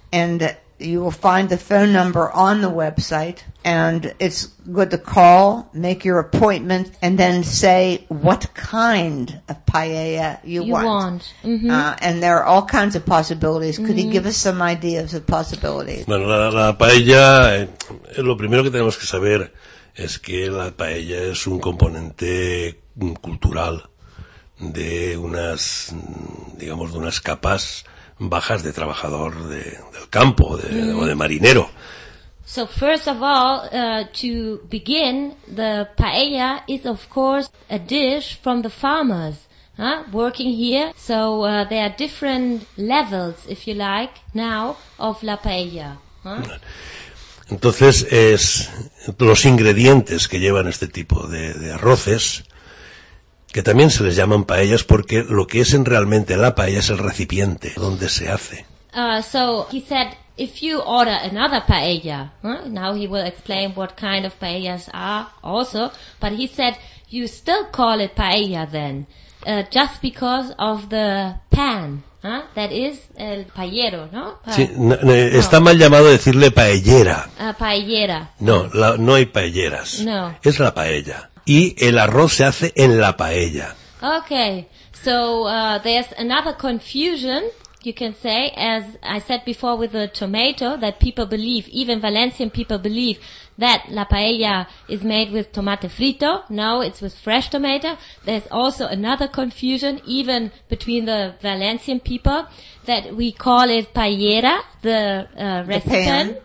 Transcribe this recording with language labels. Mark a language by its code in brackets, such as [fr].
[en] And you will find the phone number on the website, and it's good to call, make your appointment, and then say what kind of paella you want. Mm-hmm. And there are all kinds of possibilities. Mm-hmm. Could you give us some ideas of possibilities? [es] Bueno, la paella, lo primero que tenemos que saber es que la paella es un componente cultural de unas, digamos, de unas capas bajas de trabajador del campo de marinero. [en] So first of all, to begin, the paella is of course a dish from the farmers working here. So there are different levels, if you like, now of la paella. [es] Entonces es los ingredientes que llevan este tipo de arroces, que también se les llaman paellas porque lo que es en realmente la paella es el recipiente donde se hace. [en] So he said, if you order another paella, now he will explain what kind of paellas are also, but he said, you still call it paella then, just because of the pan, that is el paellero, ¿no? [es] Está mal llamado decirle paellera. Paellera. No hay paelleras. No. Es la paella. Y el arroz se hace en la paella. [en] Okay, so there's another confusion, you can say, as I said before with the tomato, that people believe, even Valencian people believe, that la paella is made with tomate frito. No, it's with fresh tomato. There's also another confusion, even between the Valencian people, that we call it paellera, the recipient,